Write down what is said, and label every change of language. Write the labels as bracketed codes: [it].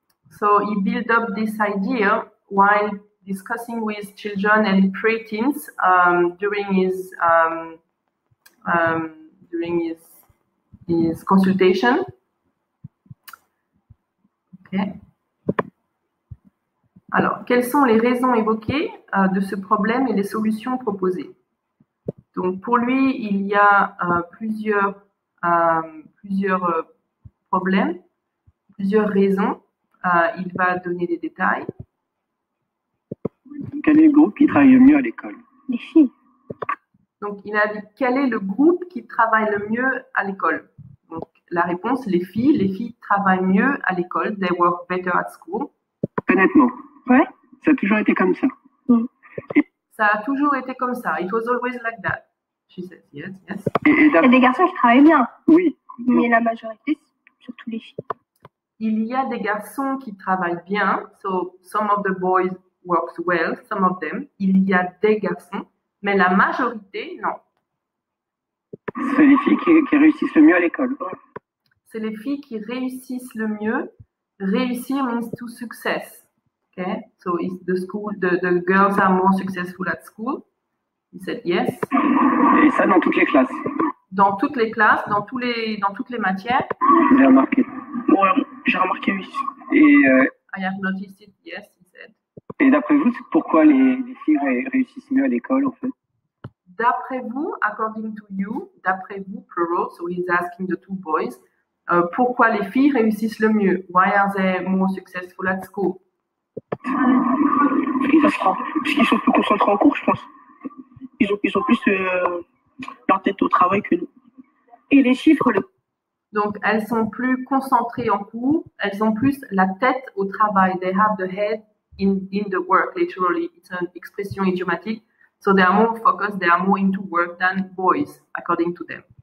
[en] So he built up this idea while discussing with children and preteens during his consultation. Okay. [fr] Alors, quelles sont les raisons évoquées de ce problème et les solutions proposées? Donc, pour lui, il y a plusieurs raisons. Il va donner des détails. Quel est le groupe qui travaille mieux à l'école? Les filles. Donc, il a dit quel est le groupe qui travaille le mieux à l'école? Donc, la réponse, les filles. Les filles travaillent mieux à l'école. [en] They work better at school. [fr] Honnêtement. Ouais. Ça a toujours été comme ça. Ça a toujours été comme ça. [en] It was always like that. She said yes, yes. [fr] Et il y a des garçons qui travaillent bien. Oui. Mais la majorité, surtout les filles. Il y a des garçons qui travaillent bien. [en] So, some of the boys work well, some of them. [fr] Il y a des garçons, mais la majorité, non. C'est les filles qui réussissent le mieux à l'école. C'est les filles qui réussissent le mieux. Réussir [en] means to success. Okay? So, is the school, the girls are more successful at school? He said yes. [fr] Et ça, dans toutes les classes. Dans toutes les classes, dans toutes les matières. J'ai remarqué. Moi, j'ai remarqué, oui. [en] I have noticed it, yes, he said. [fr] Et d'après vous, c'est pourquoi les filles réussissent mieux à l'école, en fait? D'après vous, [en] according to you, [fr] d'après vous, [en] plural, so he's asking the two boys, [fr] pourquoi les filles réussissent le mieux? [en] Why are they more successful at school? [fr] Parce qu'ils sont plus concentrés en cours, je pense. Ils ont plus leur tête au travail que nous. Et les chiffres, donc, elles sont plus concentrées en cours, elles ont plus la tête au travail. [en] They have the head in the work, literally. It's an expression idiomatique. So they are more focused, they are more into work than boys, according to them.